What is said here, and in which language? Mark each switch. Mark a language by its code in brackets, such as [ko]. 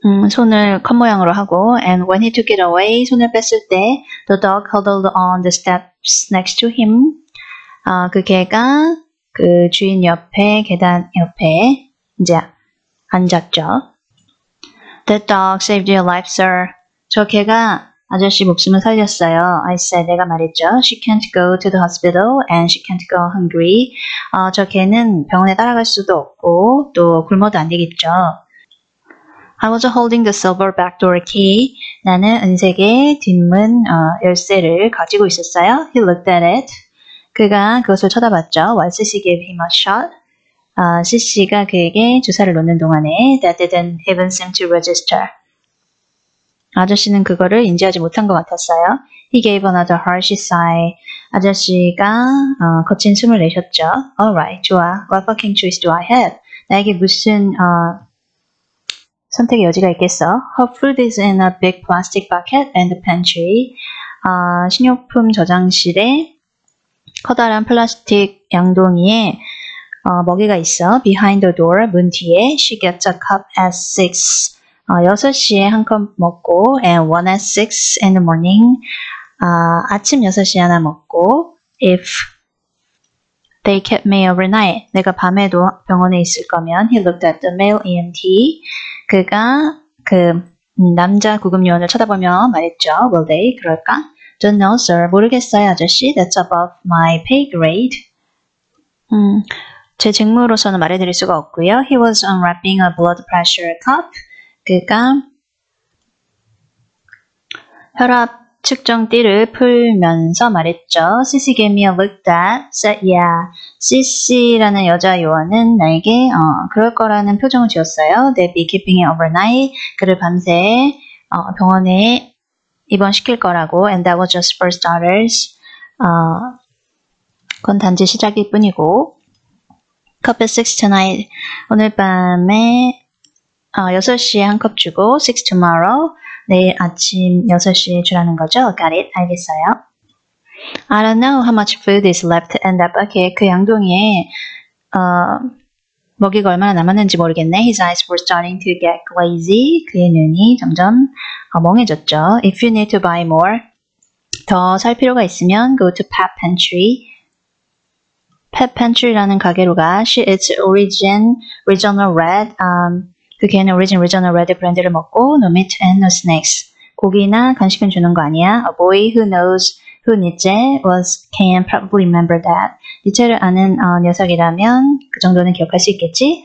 [ko] 손을 컵 모양으로 하고 [en] and when he took it away 손을 뺐을 때 the dog huddled on the steps next to him [ko] 그 개가 그 주인 옆에 계단 옆에 이제 앉았죠. [en] That dog saved your life, sir. [ko] 저 개가 아저씨 목숨을 살렸어요. [en] I said [ko] 내가 말했죠. [en] She can't go to the hospital and she can't go hungry. [ko] 저 개는 병원에 따라갈 수도 없고 또 굶어도 안 되겠죠. [en] I was holding the silver backdoor key. [ko] 나는 은색의 뒷문 열쇠를 가지고 있었어요. [en] He looked at it. [ko] 그가 그것을 쳐다봤죠. [en] While CC gave him a shot. [ko] CC가 그에게 주사를 놓는 동안에 [en] that didn't even seem to register. [ko] 아저씨는 그거를 인지하지 못한 것 같았어요. [en] He gave another harsh sigh. [ko] 아저씨가 거친 숨을 내셨죠. [en] Alright, [ko] 좋아. [en] What fucking choice do I have? [ko] 나에게 무슨 선택의 여지가 있겠어? [en] Her food is in a big plastic bucket and pantry. [ko] 식료품 저장실에 커다란 플라스틱 양동이에 먹이가 있어. [en] Behind the door, [ko] 문 뒤에. [en] She gets a cup at 6. [ko] 6시에 한 컵 먹고, [en] and one at 6 in the morning. [ko] 아침 6시에 하나 먹고, [en] if they kept me overnight. [ko] 내가 밤에도 병원에 있을 거면, [en] he looked at the male EMT. [ko] 그가 그 남자 구급요원을 쳐다보며 말했죠. [en] Will they? [ko] 그럴까? [en] Don't know, sir. [ko] 모르겠어요, 아저씨. [en] That's above my pay grade. [ko] 제 직무로서는 말해드릴 수가 없고요. [en] He was unwrapping a blood pressure cup. [ko] 그가 혈압 측정띠를 풀면서 말했죠. [en] CC gave me a look that said, yeah. [ko] CC라는 여자 요원은 나에게 그럴 거라는 표정을 지었어요. [en] They'd be keeping it overnight. [ko] 그를 밤새 병원에 입원시킬 거라고. [en] And that was just for starters. [ko] 그건 단지 시작일 뿐이고. [en] Cup at 6 tonight. [ko] 오늘 밤에 6시에 한 컵 주고, [en] 6 tomorrow. [ko] 내일 아침 6시에 주라는 거죠. [en] Got it. [ko] 알겠어요. [en] I don't know how much food is left in that bucket. [ko] 그 양동이에, 먹이가 얼마나 남았는지 모르겠네. [en] His eyes were starting to get glazy. [ko] 그의 눈이 점점 멍해졌죠. [en] If you need to buy more. [ko] 더살 필요가 있으면, [en] go to pet pantry. [ko] Pet Pantry라는 가게로 가. [en] She eats Origin Regional Red. [ko] 그 개는 Origin Regional Red 브랜드를 먹고, [en] no meat and no snacks. [ko] 고기나 간식은 주는 거 아니야. [en] A boy who knows who 니체 was can probably remember that. [ko] 니체를 아는 녀석이라면 그 정도는 기억할 수 있겠지?